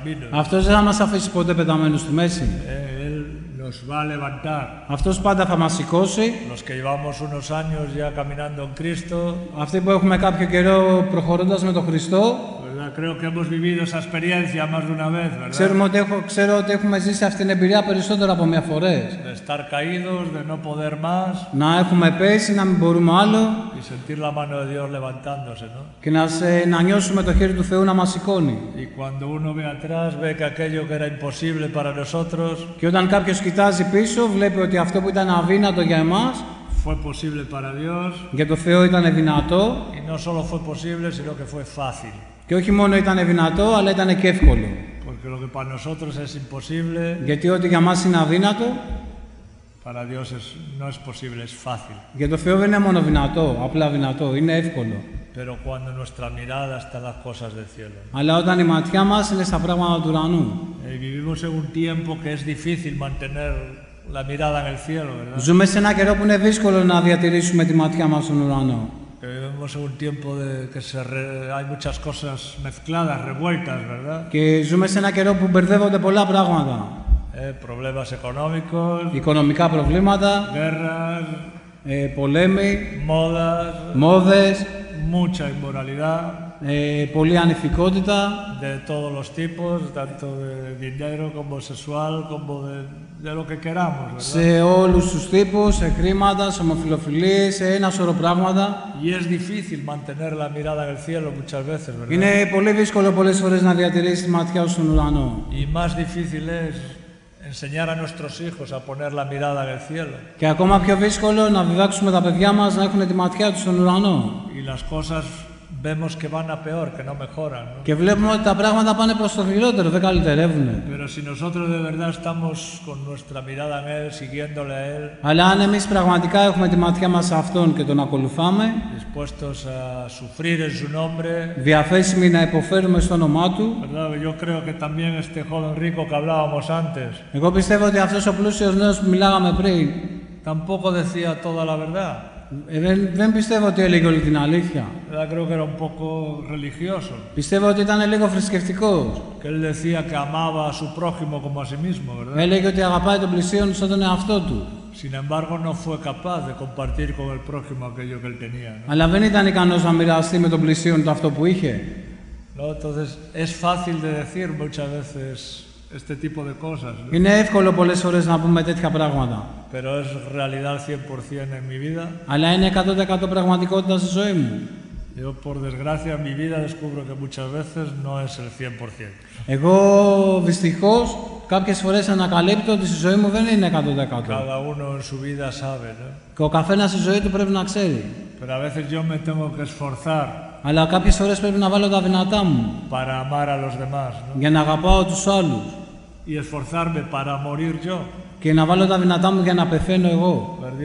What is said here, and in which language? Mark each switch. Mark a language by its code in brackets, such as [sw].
[el] Αυτός δεν θα μας αφήσει ποτέ πεταμένους στη μέση. [es] Nos va a levantar. [el] Αυτός πάντα θα μας σηκώσει. [es] Los que llevamos unos años ya caminando en Cristo. [el] Αυτοί που έχουμε κάποιο καιρό προχωρώντας με τον Χριστό. [es] ¿Verdad? Creo que hemos vivido esa experiencia más de una vez, ¿verdad? [el] Ξέρω ότι έχουμε ζήσει αυτήν την εμπειρία περισσότερο από μια φορά. [es] De estar caídos, de no poder más. [el] Να έχουμε πέσει, να μην μπορούμε άλλο. [es] Y sentir la mano de Dios levantándose, ¿no? [el] Και να νιώσουμε το χέρι του Θεού να μας σηκώνει. [es] Y cuando uno ve atrás, ve que aquello que era imposible para nosotros. [el] Και όταν κάποιος κοιτάζει πίσω, βλέπει ότι αυτό που ήταν αδύνατο για εμάς [es] fue posible para Dios, [el] για το Θεό ήταν δυνατό [es] y no solo fue posible, sino que fue fácil. [el] Και όχι μόνο ήταν δυνατό, αλλά ήταν και εύκολο. [es] Porque lo que para nosotros es imposible, [el] γιατί ό,τι για μας είναι αδύνατο [es] para Dios es, no es posible, es fácil. [el] Για το Θεό δεν είναι μόνο δυνατό, απλά δυνατό, είναι εύκολο. [es] Pero cuando nuestra mirada está en las cosas del cielo. [el] Αλλά όταν η ματιά μας είναι στα πράγματα του ουρανού. [es] Vivimos en un tiempo que es difícil mantener la mirada en el cielo, ¿verdad? [el] Ζούμε σε ένα καιρό που είναι δύσκολο να διατηρήσουμε τη ματιά μας στον ουρανό. [es] Que vivimos en un tiempo de que se re, hay muchas cosas mezcladas, revueltas, ¿verdad? [el] Que ζούμε σε ένα καιρό που μπερδεύονται πολλά πράγματα. [es] Problemas económicos. [el] Οικονομικά προβλήματα. [es] Guerras. [el] Πολέμοι. [es] Modas. [el] Μόδες. [es] Mucha inmoralidad. [el] Πολλή ανηθικότητα. [es] De todos los tipos, tanto de dinero como sexual, como de. De lo que queramos, [el] σε όλους τους τύπους, σε κρίματα, σε ομοφιλοφιλίες, σε ένα σωρό πράγματα. [es] Y es difícil mantener la mirada en el cielo muchas veces, ¿verdad? [el] Είναι πολύ δύσκολο πολλές φορές να διατηρήσεις τη ματιά σου στον ουρανό. [es] Y más difícil es enseñar a nuestros hijos a poner la mirada en el cielo. [el] Και ακόμα πιο δύσκολο να διδάξουμε τα παιδιά μας να έχουν τη ματιά τους στον ουρανό. [es] Y las cosas vemos que van a peor, que no mejoran, ¿no? [el] Και βλέπουμε ότι τα πράγματα πάνε προς το χειρότερο, δεν καλυτερεύουν. [es] Pero si nosotros de verdad estamos con nuestra mirada en él, siguiéndole a él. [el] Αλλά αν εμείς πραγματικά έχουμε τη ματιά μας σε αυτόν και τον ακολουθάμε. [es] Dispuestos a sufrir en su nombre. [el] Διαθέσιμοι να υποφέρουμε στο όνομά του. [es] Claro, yo creo que también este joven rico que hablábamos antes. [el] Εγώ πιστεύω ότι αυτός ο πλούσιος νέος που μιλάγαμε πριν. [es] Tampoco decía toda la verdad. [el] Δεν πιστεύω ότι έλεγε όλη την αλήθεια. [es] Creo que era un poco religioso. [el] Πιστεύω ότι ήταν λίγο θρησκευτικό. [es] Que él decía que amaba a su prójimo como a sí mismo, ¿verdad? [el] Έλεγε ότι αγαπάει τον πλησίον σαν τον εαυτό του. [es] Sin embargo, no fue capaz de compartir con el prójimo aquello que él tenía, ¿no? [el] Αλλά δεν ήταν ικανός να μοιραστεί με τον πλησίον του αυτό που είχε. [es] Entonces, es fácil de decir muchas veces este tipo de cosas, ¿no? [el] Είναι εύκολο πολλές φορές να πούμε τέτοια πράγματα. [es] Pero es realidad 100% en mi vida. [el] Αλλά είναι 100% πραγματικότητα στη ζωή μου. [es] Yo, por desgracia, en mi vida descubro que muchas veces no es el 100%. [el] Εγώ, δυστυχώς, κάποιες φορές ανακαλύπτω ότι στη ζωή μου δεν είναι 100%. [es] Cada uno en su vida sabe, ¿no? [el] Και ο καθένας στη ζωή του πρέπει να ξέρει. [es] Pero a veces yo me tengo que esforzar. [el] Αλλά κάποιες φορές πρέπει να βάλω τα δυνατά μου. [es] Para amar a los demás, ¿no? [el] Για να αγαπάω τους άλλους. [es] Y esforzarme para morir yo. [el] Και να βάλω τα δυνατά μου για να πεθαίνω εγώ.